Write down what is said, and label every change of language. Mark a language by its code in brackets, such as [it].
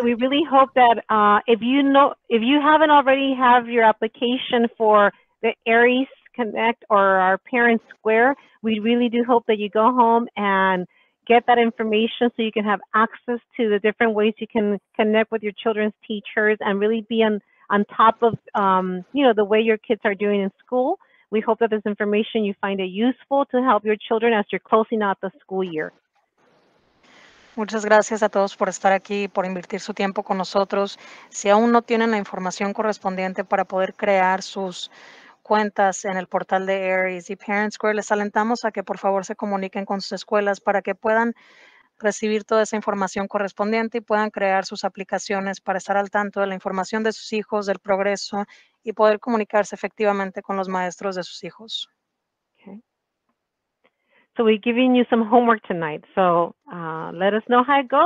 [en] We really hope that if you haven't already have your application for the Aeries Connect or our ParentSquare, we really do hope that you go home and get that information so you can have access to the different ways you can connect with your children's teachers and really be on top of, you know, the way your kids are doing in school. We hope that this information you find it useful to help your children as you're closing out the school year. [es] Muchas gracias a todos por estar aquí, por invertir su tiempo con nosotros. Si aún no tienen la información correspondiente para poder crear sus cuentas en el portal de Aeries y ParentSquare, les alentamos a que por favor se comuniquen con sus escuelas para que puedan recibir toda esa información correspondiente y puedan crear sus aplicaciones para estar al tanto de la información de sus hijos, del progreso y poder comunicarse efectivamente con los maestros de sus hijos. [en] So we're giving you some homework tonight. So let us know how it goes.